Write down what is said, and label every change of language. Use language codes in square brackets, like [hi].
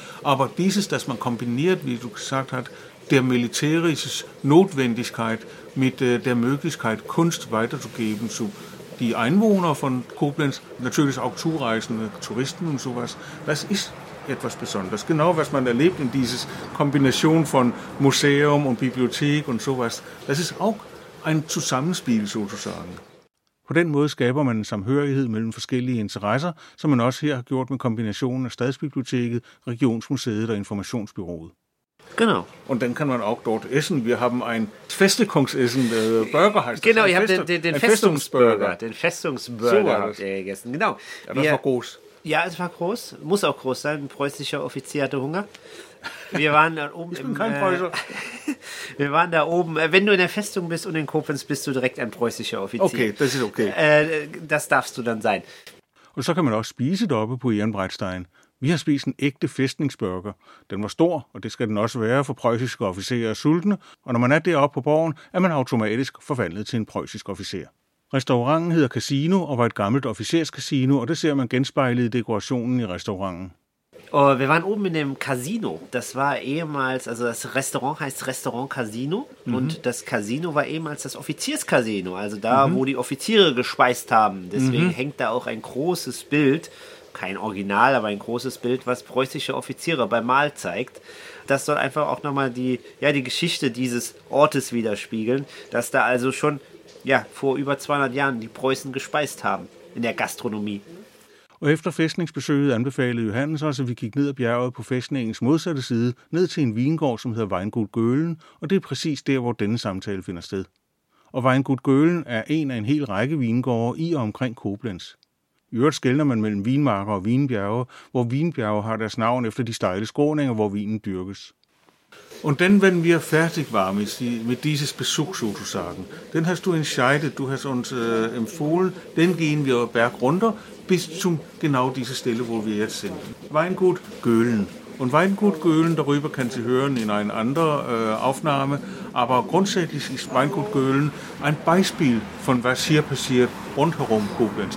[de] Aber dieses, das man kombiniert, wie du gesagt hast, der militärischen Notwendigkeit mit der Möglichkeit, Kunst weiterzugeben, zu die Einwohner von Koblenz, natürlich auch zureisende Touristen und sowas, das ist etwas Besonderes. Genau was man erlebt in dieser Kombination von Museum und Bibliothek und sowas, das ist auch ein Zusammenspiel sozusagen. [da] På den måde skaber man en samhørighed mellem forskellige interesser, som man også her har gjort med kombinationen af Stadsbiblioteket, Regionsmuseet og Informationsbyrået. [de] Genau. Und dann kann man auch dort essen. Wir haben ein Festigungsessen, Burger heißt genau, das. Genau, ihr habt den Festungsburger. Den Festungsburger so habt ihr gegessen, genau. Ja, das war groß. Ja, es war groß. Muss auch groß sein. Ein preußischer Offizier hatte Hunger. Wir waren da oben. Ich bin kein Preußer. Wir waren da oben. Wenn du in der Festung bist und in Koblenz, bist du direkt ein preußischer Offizier. Okay, das ist okay. Das darfst du dann sein. Und so kann man auch spießen doppelt [da] på [de] Ehrenbreitstein. [da] Vi har spist en ægte fæstningsburger. Den var stor, og det skal den også være, for preussiske officerer er sultne, og når man er deroppe på borgen, er man automatisk forvandlet til en preussisk officer. Restauranten hedder Casino og var et gammelt officerscasino, og det ser man genspejlet i dekorationen i restauranten. Og vi var [de] oben [da] i dem Casino. [de] Das var ehemals, [da] altså [de] das Restaurant heißt Restaurant Casino, und das Casino var ehemals das Offizierscasino, altså da, wo die Offiziere gespeist haben. Deswegen hängt da auch ein großes Bild, kein Original, aber ein großes Bild, was preußische Offiziere beim Mahl zeigt. Das soll einfach auch nochmal die Geschichte dieses Ortes widerspiegeln, dass da also schon ja, vor über 200 Jahren die Preußen gespeist haben in der Gastronomie. [da] Og efter fæstningsbesøget anbefalede Johannes os, at vi gik ned ad bjerget på fæstningens modsatte side, ned til en vingård, som hedder Weingut Gølen, og det er præcis der, hvor denne samtale finder sted. Og Weingut Gølen er en af en hel række vingårde i og omkring Koblenz. I øvrigt skelner man mellem vinmarker og vinbjerge, hvor vinbjerge har deres navn efter de stejle skråninger, hvor vinen dyrkes. [de] Und dann, wenn wir fertig waren mit dieses Besuch sozusagen, dann hast du entscheidet, du hast uns empfohlen, dann gehen wir berg runter bis zum genau diese Stelle, wo wir jetzt sind. Weingut Gölen. Und Weingut Gölen, darüber kannst du hören in einer anderen Aufnahme, aber grundsätzlich ist Weingut Gölen ein Beispiel von was hier passiert rundherum Koblenz.